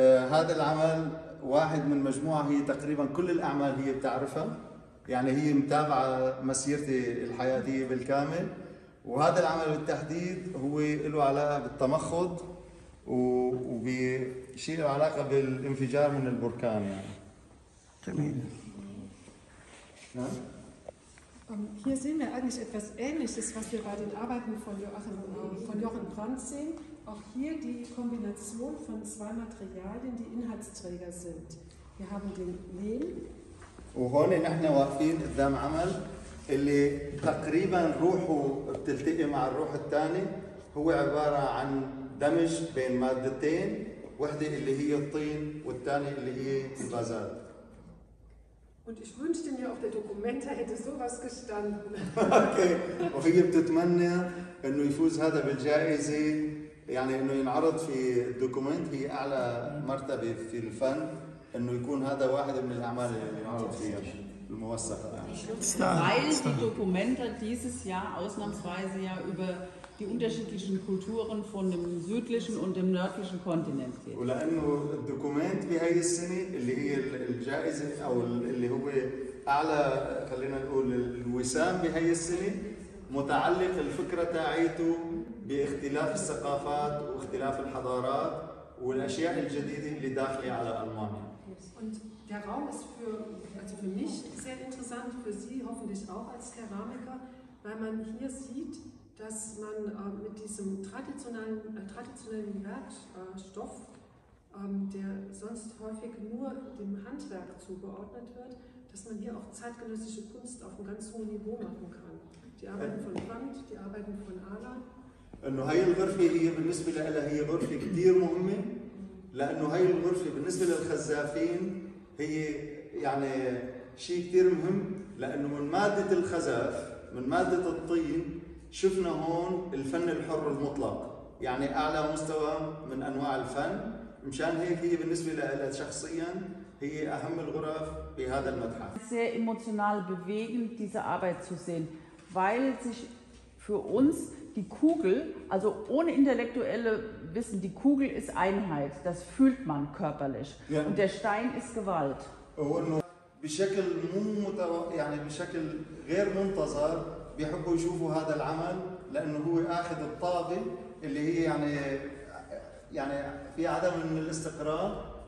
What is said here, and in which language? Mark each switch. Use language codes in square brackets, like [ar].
[ar] هذا العمل واحد من مجموعة هي تقريبا كل الأعمال هي بتعرفها، يعني هي متابعة مسيرتي الحياتية بالكامل، وهذا العمل بالتحديد هو له علاقة بالتمخض وبشيء له علاقة بالانفجار من البركان. جميل. [de] Hier sehen wir eigentlich etwas Ähnliches, was wir bei den Arbeiten von Jochen Brandt sehen. Auch hier die Kombination von zwei Materialien, die Inhaltsträger sind. Wir haben den Lehm. [ar] وهون نحن واقفين قدام عمل اللي تقريبا روحه بتلتقي مع الروح الثاني، هو عبارة عن دمج بين مادتين، واحدة اللي هي الطين والثانية اللي هي البازال. [de] Und ich wünschte mir auf der Documenta hätte sowas gestanden. Okay. [ar] وهي بتتمنى انه يفوز هذا بالجائزة، يعني انه ينعرض في الدوكومنت، هي اعلى مرتبة في الفن، انه يكون هذا واحد من الاعمال اللي ينعرض فيها الموثقة. [de] Weil die Documenta dieses Jahr ausnahmsweise ja über die unterschiedlichen Kulturen von dem südlichen und dem nördlichen Kontinent geht. [ar] ولأنه الدوكومنت بهاي السنة اللي هي الجائزة أو اللي هو أعلى، خلينا نقول الوسام بهاي السنة، متعلق الفكرة تاعيته باختلاف الثقافات واختلاف الحضارات والأشياء الجديدة اللي داخلة على ألمانيا. [de] Der Raum ist für mich sehr interessant, für Sie hoffentlich auch als Keramiker, weil man hier sieht, dass man mit diesem traditionellen Werkstoff, der sonst häufig nur dem Handwerk zugeordnet wird, dass man hier auch zeitgenössische Kunst auf einem ganz hohen Niveau machen kann. Die Arbeiten von Brandt, die Arbeiten von Ala. [ar] إنه هاي الغرفة هي بالنسبة لها هي غرفة كتير مهمة، لأنه هاي الغرفة بالنسبة للخزافين هي يعني شيء كتير مهم، لأنه من مادة الخزاف، من مادة الطين، شفنا هون الفن الحر المطلق، يعني أعلى مستوى من أنواع الفن. مشان هيك هي بالنسبة لها شخصيا هي أهم الغرف بهذا المتحف. [de] Sehr emotional bewegend diese Arbeit zu sehen, weil sich für uns die Kugel, also ohne intellektuelle Wissen, die Kugel ist Einheit, das fühlt man körperlich. Yeah. Und der Stein ist Gewalt. [ar] بشكل مو يعني بشكل غير منتظر بيحبوا يشوفوا هذا العمل، لأنه هو أخذ الطابة اللي هي يعني في عدم من الاستقرار.